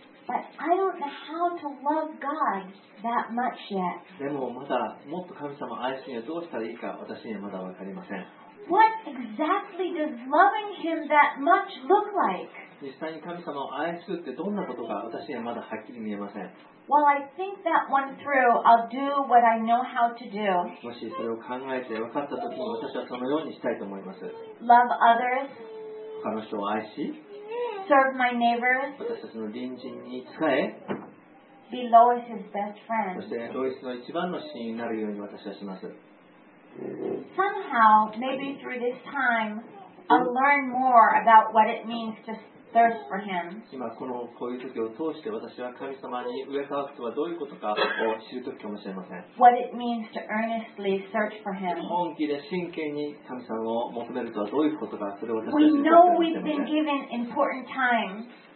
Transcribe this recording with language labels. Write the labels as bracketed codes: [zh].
[en] But I don't know how to love God that much yet. [ja] でもまだもっと神様を愛すにはどうしたらいいか私にはまだわかりません。 [en] What exactly does loving him that much look like? [ja] 実際に神様を愛すってどんなことか私にはまだはっきり見えません。 [en] While I think that one through, I'll do what I know how to do. [ja] もしそれを考えて分かった時に私はそのようにしたいと思います。 [en] Love others. [ja] 他の人を愛し。 [en] Serve my neighbors. [ja] 私たちの隣人に仕え。 [en] Be Lois's best friend. [ja] そしてロイスの一番の親友になるように私はします。 [en] Somehow, maybe through this time, I'll learn more about what it means to thirst for Him. [ja] 今このこういう時を通して私は神様に飢え渇くとはどういうことかを知る時かもしれません。 [en] What it means to earnestly search for Him. [ja] 本気で真剣に神様を求めるとはどういうことか、それを私は知る時かもしれません。 [en] We know we've been given important time.